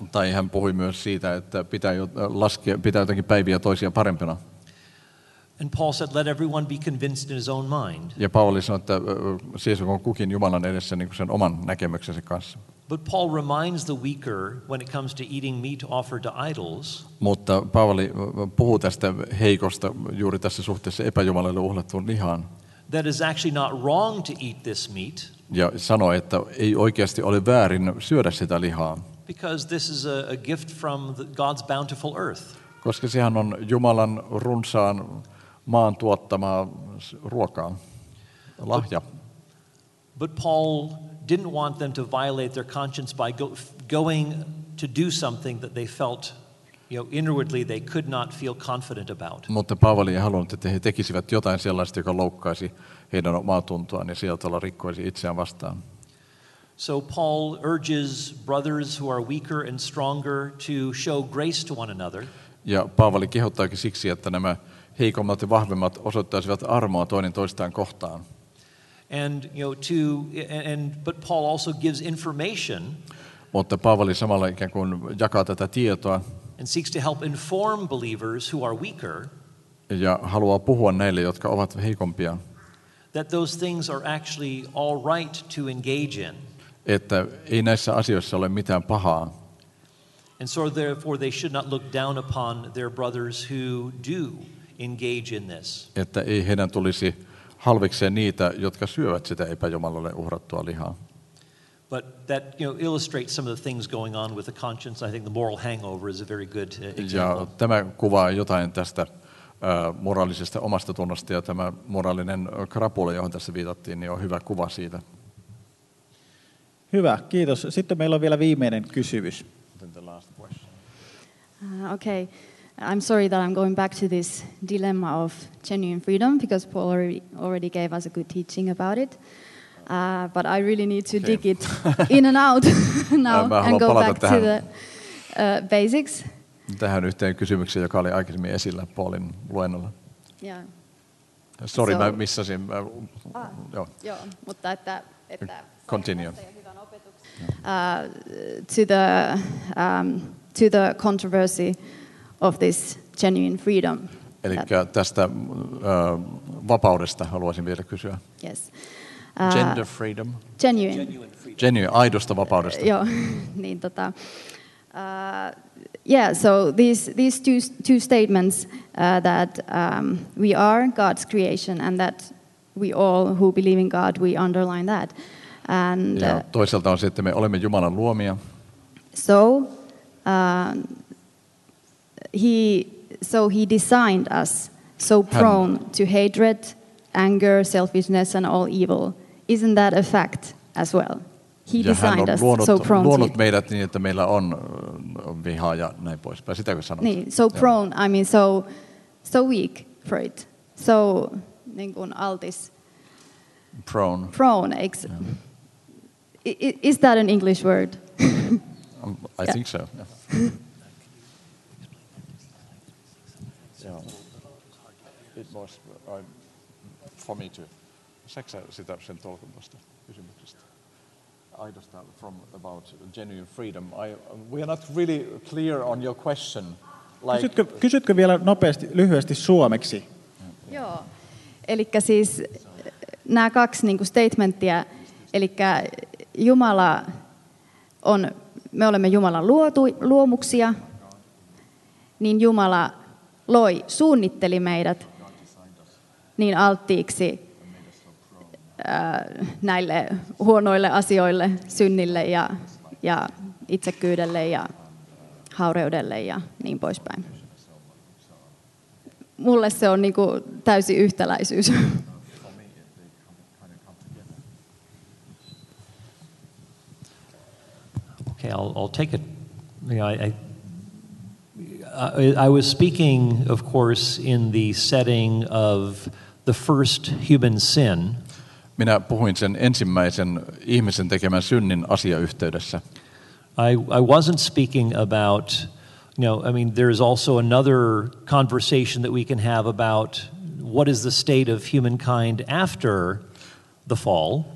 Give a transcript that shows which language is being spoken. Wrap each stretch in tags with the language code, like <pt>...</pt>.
<fi>Tai hän puhui myös siitä, että pitää jotenkin päiviä toisia parempina.</fi> <en>And Paul said, let everyone be convinced in his own mind.</en> <fi>Ja Paavali sanoi, että seisokoon kukin Jumalan edessä niin kuin sen oman näkemyksensä kanssa.</fi> <en>But Paul reminds the weaker when it comes to eating meat offered to idols.</en> <fi>Mutta Paavali puhuu tästä heikosta juuri tässä suhteessa epäjumalalle uhlattuun lihaan.</fi> <en>That is actually not wrong to eat this meat.</en> <fi>Ja sanoi, että ei oikeasti ole väärin syödä sitä lihaa.</fi> <en>Because this is a gift from God's bountiful earth.</en> <fi>Koska sehän on Jumalan runsaan maan tuottamaa ruokaa, lahja.</fi> <en>But, But Paul didn't want them to violate their conscience by going to do something that they felt, you know, inwardly they could not feel confident about.</en> <fi>Mutta Paavali ei halunnut, että he tekisivät jotain sellaista, joka loukkaisi heidän omaatuntoaan ja sillä tavalla rikkoisi itseään vastaan.</fi> <en>So Paul urges brothers who are weaker and stronger to show grace to one another.</en> <fi>Ja Paavali kehottaakin siksi, että nämä heikommat ja vahvemmat osoittaisivat armoa toinen toistaan kohtaan.</fi> <en>And, you know, to, and but Paul also gives information.</en> <fi>Mutta Paavali samalla ikään kuin jakaa tätä tietoa.</fi> <en>And seeks to help inform believers who are weaker.</en> <fi>Ja haluaa puhua näille, jotka ovat heikompia.</fi> <en>That those things are actually all right to engage in.</en> <fi>Että ei näissä asioissa ole mitään pahaa.</fi> <en>And so therefore they should not look down upon their brothers who do engage in this.</en> <fi>Että ei heidän tulisi halveksia niitä, jotka syövät sitä epäjumalalle uhrattua lihaa.</fi> <en>But that, you know, illustrates some of the things going on with the conscience. I think the moral hangover is a very good example.</en> <fi>Ja tämä kuvaa jotain tästä moraalisesta omasta tunnosta, ja tämä moraalinen krapula, johon tässä viitattiin, niin on hyvä kuva siitä. Hyvä, kiitos. Sitten meillä on vielä viimeinen kysymys.</fi> <en>Okay, I'm sorry that I'm going back to this dilemma of genuine freedom, because Paul already gave us a good teaching about it. But I really need to dig it in and out now and go back to the basics.</en> <fi>Tähän yhteen kysymykseen, joka oli aikaisemmin esillä Paulin luennolla.</fi> <en>Yeah. Sorry, so,</en> <fi>mä missasin. Joo, mutta että</fi> <en>continue. To the controversy of this genuine freedom.</en> <fi>Eli tästä vapaudesta haluaisin vielä kysyä.</fi> <en>Yes. Gender freedom. Genuine</en> <fi>aidosta vapaudesta. Joo, niin tota.</fi> <en>Yeah, so these two statements that we are God's creation and that we all who believe in God, we underline that. And</en> <fi>ja toisaalta on se, että me olemme Jumalan luomia.</fi> <en>So he designed us so prone to hatred, anger, selfishness and all evil. Isn't that a fact as well? He designed us so prone.</en> <fi>Luonut meidät niin, että meillä on vihaa ja näin poispäin. Sitäkö sanot?</fi> <en>Niin, so prone, I mean so weak for it.</en> <fi>So niin kuin altis.</fi> <en>Prone. Prone. Is that an English word? I think so. It was for me too.</en> <fi>Saksa sitä sen tolkumasta kysymyksestä.</fi> <en>I just start from about genuine freedom. We are not really clear on your question.</en> <fi>Like, kysytkö vielä nopeasti, lyhyesti suomeksi? Joo. Elikkä siis nämä kaksi niinku statementtia, elikkä Jumala on, me olemme Jumalan luomuksia, niin Jumala loi, suunnitteli meidät niin alttiiksi näille huonoille asioille, synnille ja itsekyydelle ja haureudelle ja niin poispäin. Mulle se on niinku täysi yhtäläisyys.</fi> <en>Okay, I'll take it. I was speaking, of course, in the setting of the first human sin.</en> <fi>Minä puhuin sen ensimmäisen ihmisen tekemän synnin asiayhteydessä.</fi> <en>I wasn't speaking about, you know, I mean, there is also another conversation that we can have about what is the state of humankind after the fall.</en>